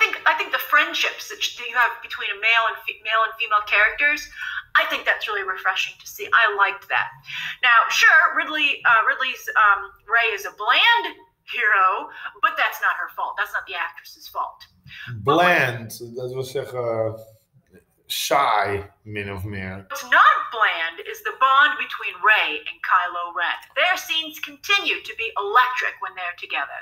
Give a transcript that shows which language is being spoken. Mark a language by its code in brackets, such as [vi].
[en] I think the friendships that you have between a male and male and female characters, I think that's really refreshing to see. I liked that. Now, sure, Ridley's Rey is a bland hero, but that's not her fault. That's not the actress's fault. [nl] Bland, dat wil zeggen saai, min of meer. [en] What's not bland is the bond between Rey and Kylo Ren. Their scenes continue to be electric when they're together.